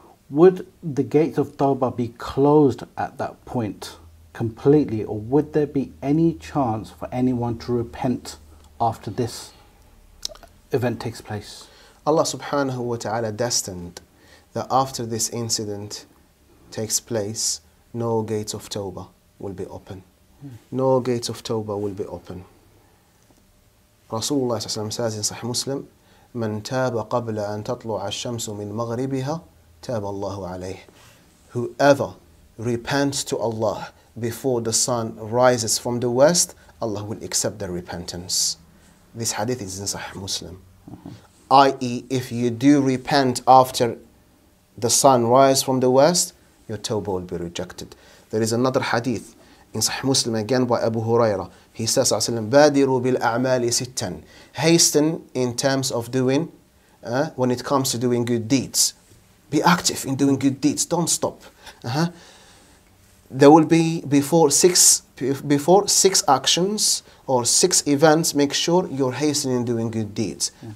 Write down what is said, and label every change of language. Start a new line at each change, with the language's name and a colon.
English: Would the gates of Tawbah be closed at that point completely, or would there be any chance for anyone to repent after this event takes place? Allah subhanahu wa ta'ala destined that after this incident takes place, no gates of Tawbah will be open. No gates of Tawbah will be open. Rasulullah says in Sahih Muslim,
Arabic: مَنْ تَابَ قَبْلَ أَنْ تَطْلُعَ الشَّمْسُ مِنْ مَغْرِبِهَا تَابَ اللَّهُ عَلَيْهِ.
English: Whoever repents to Allah before the sun rises from the west, Allah will accept their repentance. This hadith is in Sahih Muslim. I.e. if you do repent after the sun rises from the west, your tawbah will be rejected. There is another hadith in Sahih Muslim again by Abu Hurairah. He says,
Arabic: بَادِرُوا بِالْأَعْمَالِ سِتَّنْ.
English: Hasten in terms of doing, when it comes to doing good deeds. Be active in doing good deeds. Don't stop. There will be before six actions or six events, make sure you're hastening in doing good deeds. Yeah.